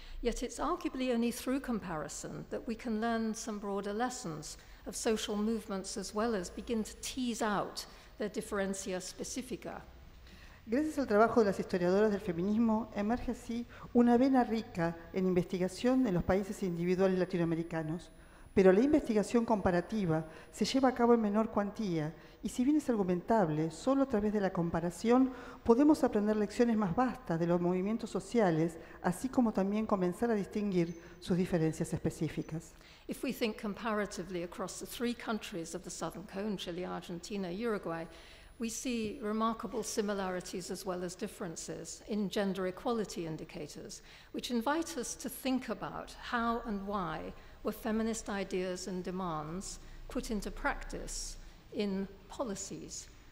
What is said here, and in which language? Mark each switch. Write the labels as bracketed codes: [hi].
[en] Yet it's arguably only through comparison that we can learn some broader lessons of social movements as well as begin to tease out their differencia specifica. [es] Gracias al trabajo de las historiadoras del feminismo, emerge así una vena rica en investigación en los países individuales latinoamericanos. Pero la investigación comparativa se lleva a cabo en menor cuantía, y si bien es argumentable, solo a través de la comparación podemos aprender lecciones más vastas de los movimientos sociales, así como también comenzar a distinguir sus diferencias específicas. [en] If we think comparatively across the three countries of the Southern Cone, Chile, Argentina, Uruguay, we see remarkable similarities as well as differences in gender equality indicators, which invite us to think about how and why were feminist ideas and demands put into practice in policies?